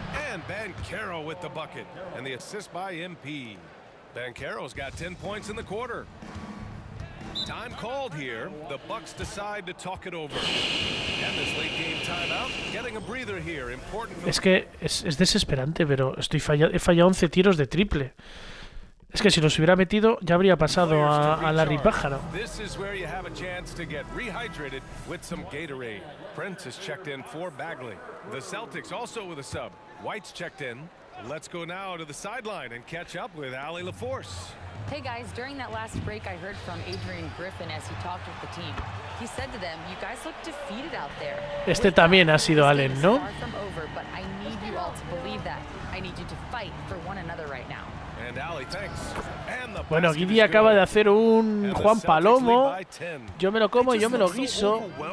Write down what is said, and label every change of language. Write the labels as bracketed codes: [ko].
[en] And Bancaro with the bucket and the assist by MP. Bancaro's got 10 points in the quarter. Time called here. The Bucks decide to talk it over. And this late game timeout, getting a breather here. Important. [es] Es que es desesperante, pero estoy fallado, he fallado 11 tiros de triple. Es que si los hubiera metido, ya habría pasado a la ripájaro. [en] This is where you have a chance to get rehydrated with some Gatorade. Prince has checked in for Bagley. The Celtics also with a sub. White's checked in. Let's go now to the sideline and catch up with Ali LaForce. Hey guys, during that last break, I heard from Adrian Griffin as he talked with the team. He said to them, "You guys look defeated out there." [es] Este también ha sido Allen, ¿no? [en] But I need you all to believe that. I need you to fight for one another right now. And Ali, thanks. [es] Bueno, Guidi acaba de hacer un Juan Palomo. Yo me lo como y yo me lo guiso.